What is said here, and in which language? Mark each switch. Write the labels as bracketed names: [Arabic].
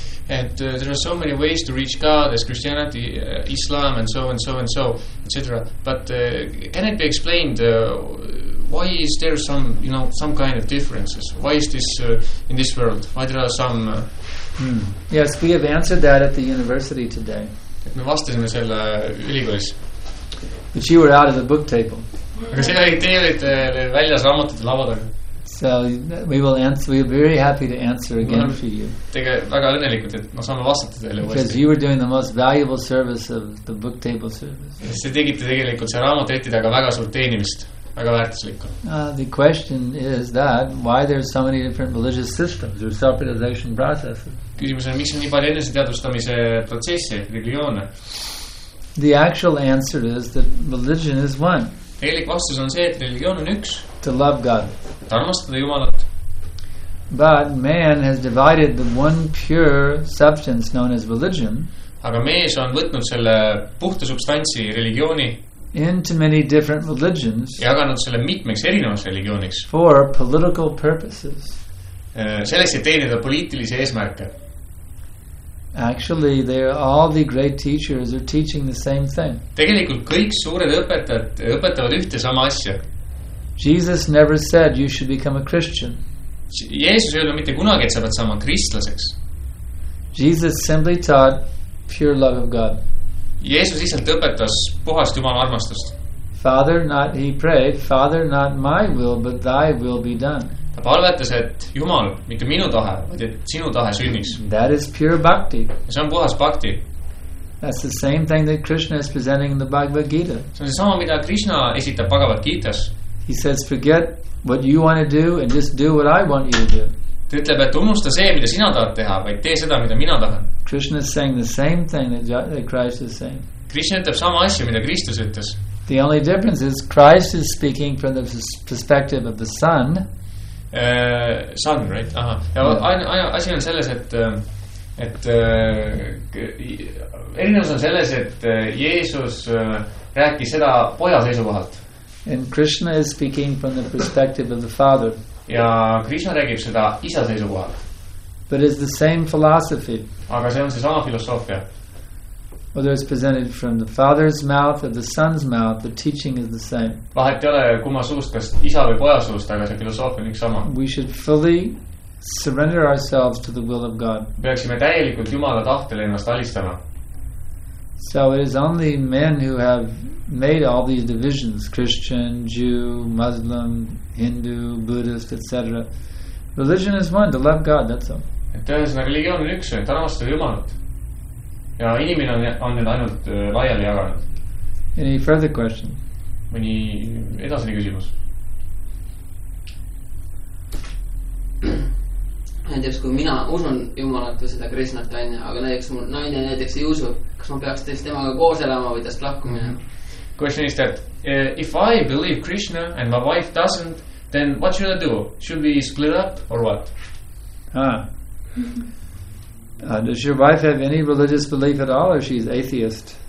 [English] And there are so many ways to reach God, as Christianity, Islam, and so and so and so, etc. But can it be explained why is there some, you know, some kind of differences? Why is this in this world? Why there are some? Yes, we have answered that at the university today. [Estonian] Et me vastasime selle ülikoolis. [English] But you were out of the book table. [Estonian] Aga see oli teelid väljas raamatute lavadaga. [English] So we will answer. We are very happy to answer again for you. [Estonian] Väga õnnelikud, et ma saan vastata teile uuesti. [English] Because you were doing the most valuable service of the book table service. [Estonian] See tegite tegelikult see raamatretid aga väga suurt teenimist, väga väärtuslikku. [English] The question is that why there are so many different religious systems or self-realization processes. [Estonian] Küsimus on, miks on nii palju eneseteadvustamise protsesse, religioone. [English] The actual answer is that religion is one. [Estonian] Tegelik vastus on see, et religioon on üks. [English] To love God. [Estonian] Armastada Jumalat. [English] But man has divided the one pure substance known as religion. [Estonian] Aga mees on võtnud selle puhta substantsi religiooni. [English] Into many different religions. [Estonian] Jaganud selle mitmeks erinevaks religiooniks. [English] For political purposes. [Estonian] Selleks ei teenida poliitilise eesmärke. [English] Actually, they are all the great teachers are teaching the same thing. [Estonian] Tegelikult kõik suured õpetajad õpetavad ühte sama asja. [English] Jesus never said you should become a Christian. [Estonian] Jeesus ei öelnud mitte kunagi, et sa pead saama kristlaseks. [English] Jesus simply taught pure love of God. [Estonian] Jeesus lihtsalt õpetas puhast Jumala armastust. [English] Father, not he prayed, Father, not my will, but thy will be done. [Estonian] Ta palvetas, et Jumal, mitte minu tahe, vaid et sinu tahe sünniks. [English] That is pure bhakti. [Estonian] Ja see on puhas bhakti. [English] That's the same thing that Krishna is presenting in the Bhagavad Gita. [Estonian] See on sama, mida Krishna esitab Bhagavad Gitas. [English] He says, forget what you want to do and just do what I want you to do. [Estonian] Ta ütleb, et unusta see, mida sina tahad teha, vaid tee seda, mida mina tahan. [English] Krishna is saying the same thing that Christ is saying. [Estonian] Krishna ütleb sama asja, mida Kristus ütles. [English] The only difference is Christ is speaking from the perspective of the Son. Son, right? [Estonian] Aha. Ja asja on selles, erinevus on selles, et Jeesus rääkis seda poja seisukohalt. [English] And Krishna is speaking from the perspective of the Father. [Estonian] Ja Krishna räägib seda isa seisukohalt. [English] But it's the same philosophy. [Estonian] Aga see on see sama filosofia. [English] Whether it's presented from the Father's mouth or the Son's mouth, the teaching is the same. [Estonian] Vahet ei ole kumma suust, kas isa või poja suust, aga see filosofia on üks sama. [English] We should fully surrender ourselves to the will of God. [Estonian] Peaksime täielikult Jumala tahtele ennast alistama. [English] So it is only men who have made all these divisions, Christian, Jew, Muslim, Hindu, Buddhist, etc. Religion is one, to love God, that's all. [Estonian] Et ühesõnaga, religioon on üks, et armastada Jumalat. Ja inimene on nüüd ainult laiali jaganud. [English] Any further question? [Estonian] Mõni edasine küsimus. Näiteks, kui mina usun Jumalat või seda Krishnat, aga näiteks mul naine näiteks ei usu, kas ma peaks teist temaga koos elama või tast lahku minema? [English] Question is that, if I believe Krishna and my wife doesn't, then what should I do? Should we split up or what? Does your wife have any religious belief at all or she's atheist?